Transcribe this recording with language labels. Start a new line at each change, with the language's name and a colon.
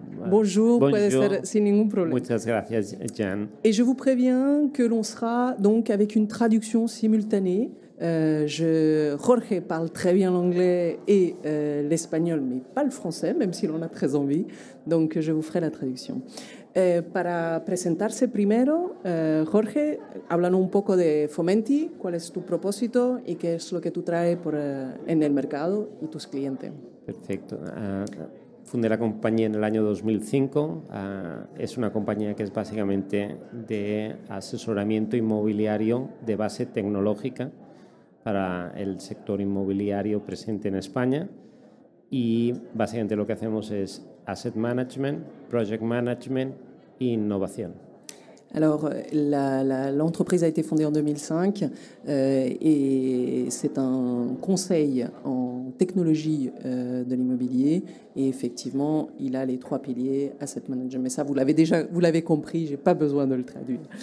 French: Bonjour, bonjour.
Spanish: Sin ningún problema. Muchas gracias, Jan.
French: Et je vous préviens que l'on sera donc avec une traduction simultanée. Jorge parle très bien l'anglais et l'espagnol, mais pas le français, même s'il en a très envie. Donc je vous ferai la traduction.
Spanish: Para presentarse primero, Jorge, háblanos un poco de Fomenti, cuál es tu propósito y qué es lo que tú traes por, en el mercado y tus clientes. Perfecto. Fundé la compañía en el año 2005. Es una compañía que es básicamente de asesoramiento inmobiliario de base tecnológica para el sector inmobiliario presente en España. Y básicamente lo que hacemos es asset management, project management e innovación.
French: Alors, l'entreprise a été fondée en 2005 et c'est un conseil en technologie de l'immobilier. Et effectivement, il a les trois piliers asset management. Mais ça, vous l'avez compris, je n'ai pas besoin de le traduire.